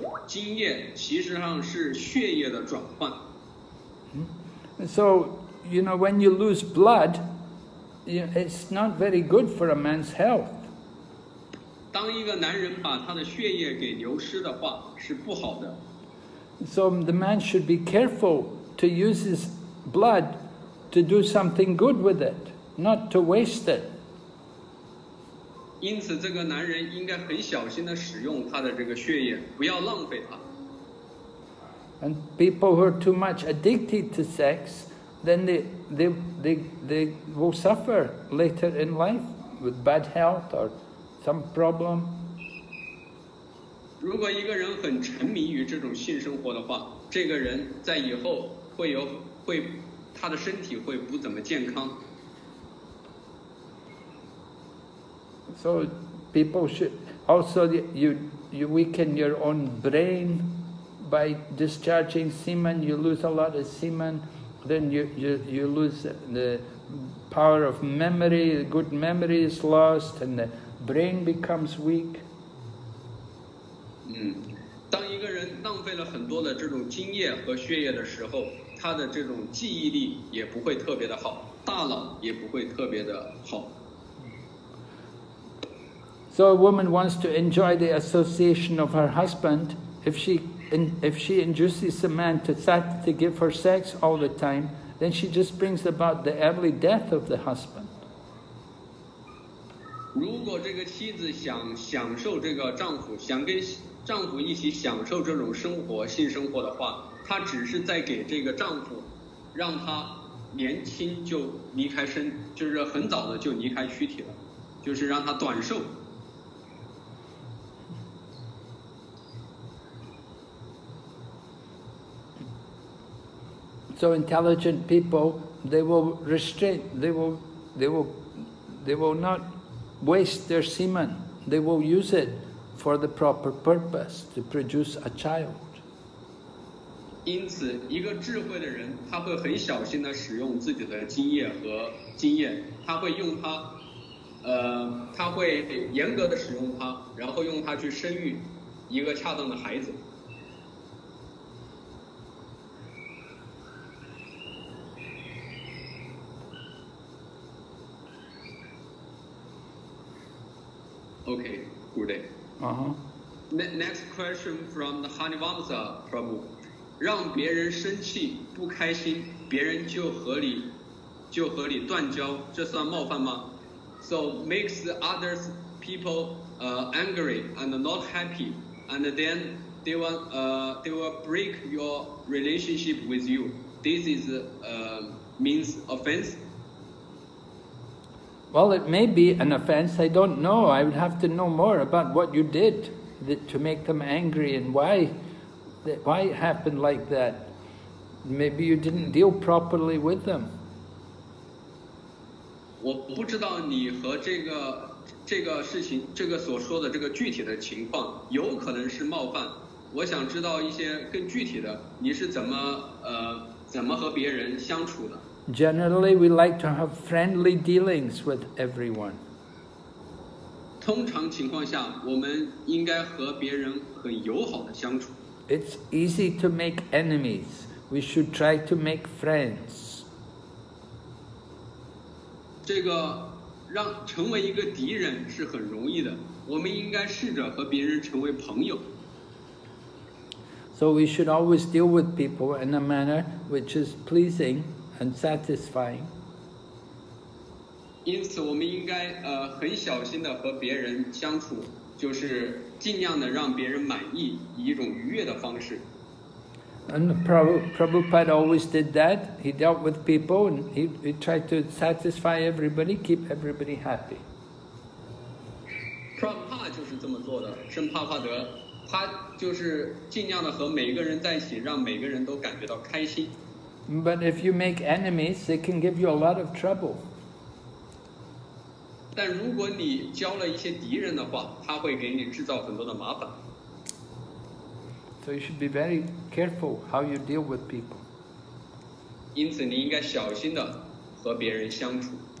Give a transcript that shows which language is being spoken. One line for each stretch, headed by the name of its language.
Chinese: 圣帕帕的说，男人的这个精液其实上是血液的转换。
English: So, you know, when you lose blood, it's not very good for a man's health. So the man should be careful to use his blood to do something good with it, not to waste it. And people who are too much addicted to sex, then they will suffer later in life with bad health or some problem.
Chinese: 如果一个人很沉迷于这种性生活的话，这个人在以后会有会他的身体会不怎么健康。
English: So people should also you weaken your own brain by discharging semen. You lose a lot of semen, then you lose the power of memory. Good memory is lost, and the brain becomes weak.
Chinese: 当一个人浪费了很多的这种精液和血液的时候，他的这种记忆力也不会特别的好，大脑也不会特别的好。
English: So a woman wants to enjoy the association of her husband. If she induces a man to give her sex all the time, then she just brings about the early death of the husband.
Chinese: 如果这个妻子想享受这个丈夫，想跟丈夫一起享受这种生活，性生活的话，她只是在给这个丈夫，让他年轻就离开身，就是很早的就离开躯体了，就是让他短寿。
English: So intelligent people, they will restrain, they will not waste their semen. They will use it for the proper purpose to produce a child.
Chinese: 因此，一个智慧的人，他会很小心地使用自己的精液和精液，他会用它，他会严格地使用它，然后用它去生育一个恰当的孩子。
English: Okay, good day. Next question from the Hanivamsa Prabhu.
Chinese: 让别人生气不开心，别人就和你断交，这算冒犯吗？
English: So makes others people angry and not happy, and then they will break your relationship with you. This is means offense. Well, it may be an offense. I don't know. I would have to know more about what you did to make them angry and why it happened like that. Maybe you didn't deal properly with them.
Chinese: 我不知道你和这个事情，这个所说的这个具体的情况，有可能是冒犯。我想知道一些更具体的，你是怎么和别人相处的。
English: Generally, we like to have friendly dealings with everyone.
Chinese: 通常情况下，我们应该和别人很友好的相处。
English: It's easy to make enemies. We should try to make friends.
Chinese: 这个让成为一个敌人是很容易的。我们应该试着和别人成为朋友。
English: So we should always deal with people in a manner which is pleasing. And satisfying.
Chinese: 因此我们应该很小心地和别人相处，就是尽量地让别人满意，以一种愉悦的方式。
English: And Prabhupada always did that. He dealt with people and he tried to satisfy everybody, keep everybody happy.
Chinese: Prabhupada 就是这么做的，圣帕帕德，他就是尽量地和每一个人在一起，让每个人都感觉到开心。
English: But if you make enemies, they can give you a lot of trouble.
Chinese: 但如果你交了一些敌人的话，他会给你制造很多的麻烦。
English: So you should be very careful how you deal with people.
Chinese: 因此你应该小心地和别人相处。